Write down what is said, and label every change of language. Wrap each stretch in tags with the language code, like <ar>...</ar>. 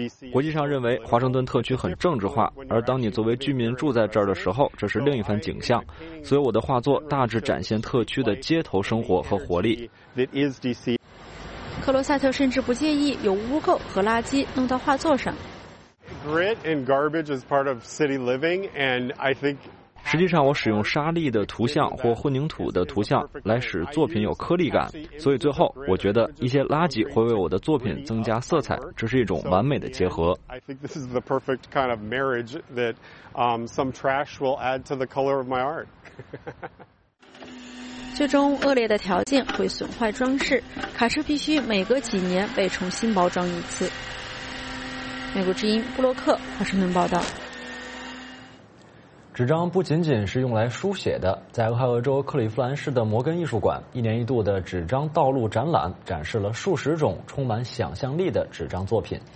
<zh>国际上认为华盛顿特区很政治化，而当你作为居民住在这儿的时候，这是另一番景象。所以我的画作大致展现特区的街头生活和活力。克罗塞特甚至不介意有污垢和垃圾弄到画作上。</zh> <en>Grit and garbage is part of city living, and I think.</en> <zh>实际上，我使用沙粒的图像或混凝土的图像来使作品有颗粒感，所以最后我觉得一些垃圾会为我的作品增加色彩，这是一种完美的结合。</zh> <en>I think this is the perfect kind of marriage that some trash will add to the color of my art.</en> <zh>最终，恶劣的条件会损坏装饰，卡车必须每隔几年被重新包装一次。美国之音布洛克华盛顿报道。纸张不仅仅是用来书写的，在俄亥俄州克利夫兰市的摩根艺术馆，一年一度的纸张道路展览展示了数十种充满想象力的纸张作品。</zh>